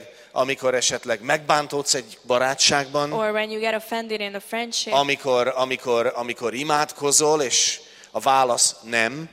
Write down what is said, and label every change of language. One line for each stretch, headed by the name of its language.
Hungarian: amikor esetleg megbántódsz egy barátságban,
English: or when you get offended in a friendship,
Hungarian: amikor imádkozol és a válasz nem,